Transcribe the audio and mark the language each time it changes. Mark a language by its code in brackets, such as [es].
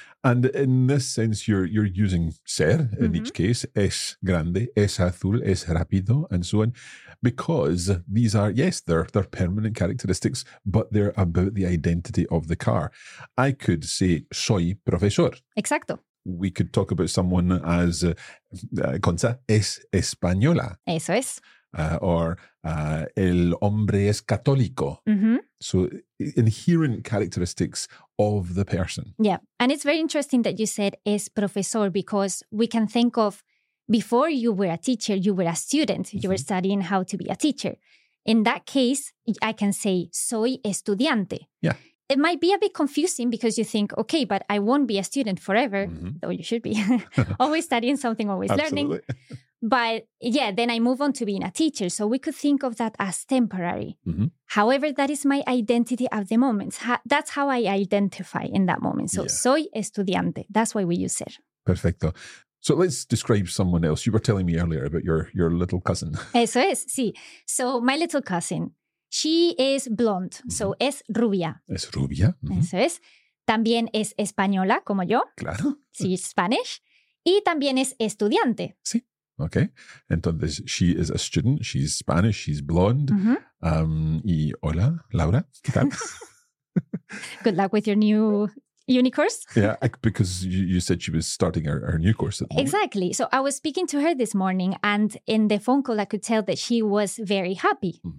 [en] And in this sense, you're using ser in each case, es grande, es azul, es rápido, and so on, because these are, they're permanent characteristics, but they're about the identity of the car. I could say, soy profesor. [es] Exacto. [en] We could talk about someone as, Concha, es española. [es] Eso es. Or el hombre es católico. [en] So inherent characteristics of the person. Yeah. And it's very interesting that you said es profesor, because we can think of before you were a teacher, you were a student, you were studying how to be a teacher. In that case, I can say soy estudiante. Yeah. It might be a bit confusing because you think, okay, but I won't be a student forever, though you should be. Always studying something, always learning. But yeah, then I move on to being a teacher. So we could think of that as temporary. However, that is my identity at the moment. That's how I identify in that moment. So soy estudiante. That's why we use ser. Perfecto. So let's describe someone else. You were telling me earlier about your little cousin. [es] Eso es, sí. [en] So my little cousin, she is blonde. [es] So es rubia. Es rubia. Eso es. También es española, como yo. Claro. Sí, Spanish. Y también es estudiante. Sí. Okay. [en] Entonces, she is a student. She's Spanish. She's blonde. Y hola, Laura. ¿Qué tal? Good luck with your new uni course. Yeah, because you said she was starting her new course at the moment. Exactly. So I was speaking to her this morning, and in the phone call, I could tell that she was very happy.